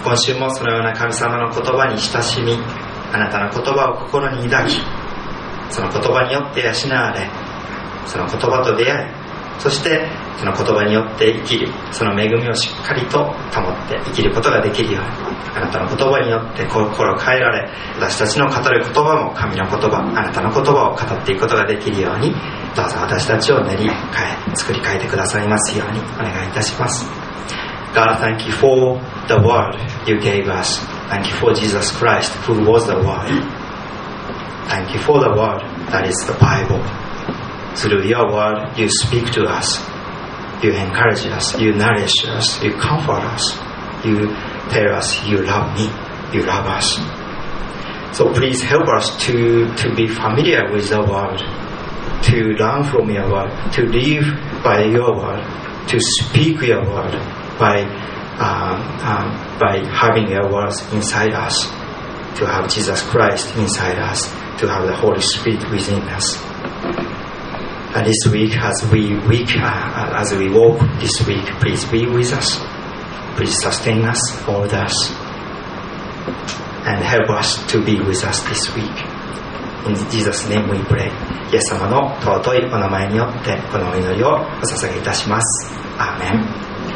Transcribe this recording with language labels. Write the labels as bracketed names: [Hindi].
[Japanese] 今週もそのような神様の言葉に親しみ、あなたの言葉を心に抱き、その言葉によって養われ、その言葉と出会い、そしてその言葉によって生きる、その恵みをしっかりと保って生きることができるように、あなたの言葉によって心変えられ、私たちの語る言葉も神の言葉、あなたの言葉を語っていくことができるように、どうぞ私たちを練り変え作り変えてくださいますようにお願いいたします。 [English] God, thank you for the word you gave us. Thank you for Jesus Christ who was the word. Thank you for the word that is the Bible. Through your word you speak to us. You encourage us, you nourish us, you comfort us, youTell us you love me, you love us. So please help us to be familiar with the word, to learn from your word, to live by your word, to speak your word by having your words inside us, to have Jesus Christ inside us, to have the Holy Spirit within us. And this week, as we walk this week, please be with us. Please sustain us, hold us, and help us to be with us this week. In Jesus' name we pray. [Japanese] イエス様の尊いお名前によってこのお祈りをお捧げいたします。アーメン。